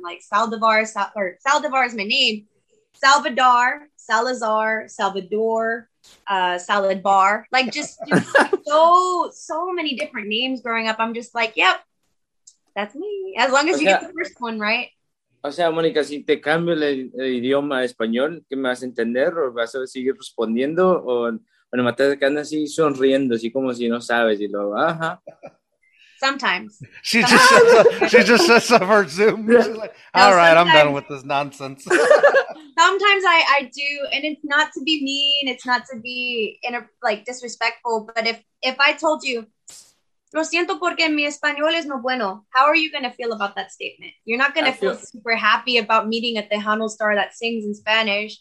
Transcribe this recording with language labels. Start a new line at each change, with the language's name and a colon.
English: Like, Saldivar is my name. Salvador, Salazar, Salvador, salad bar. Like, just so many different names growing up. I'm just like, yep, that's me. As long as you get the first one right.
Spanish: O sea, Mónica, si te cambio el idioma a español, ¿qué me vas a entender? ¿O vas a seguir respondiendo? ¿O nomás te quedas así sonriendo, así como si no sabes? Y luego, ajá.
English: Sometimes. She just sets up her Zoom. Yeah. She's like, all right, I'm done with this nonsense. Sometimes I do, and it's not to be mean. It's not to be, disrespectful. But if I told you,
Spanish: lo siento porque mi español es no bueno.
English: How are you going to feel about that statement? You're not going to feel super happy about meeting a Tejano star that sings in Spanish.